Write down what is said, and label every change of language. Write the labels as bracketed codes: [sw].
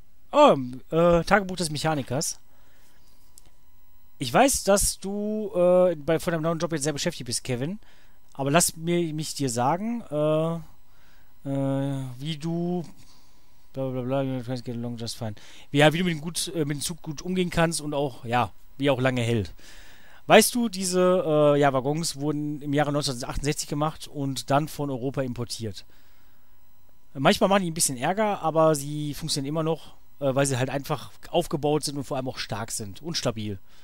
[de] Oh, Tagebuch des Mechanikers. Ich weiß, dass du von deinem neuen Job jetzt sehr beschäftigt bist, Kevin. Aber lass mich dir sagen, wie du. [en] Blablabla, you can get along just fine. [de] Wie du mit dem Zug gut umgehen kannst und auch, ja, wie auch lange hält. Weißt du, diese Waggons wurden im Jahre 1968 gemacht und dann von Europa importiert. Manchmal machen die ein bisschen Ärger, aber sie funktionieren immer noch, weil sie halt einfach aufgebaut sind und vor allem auch stark sind und stabil.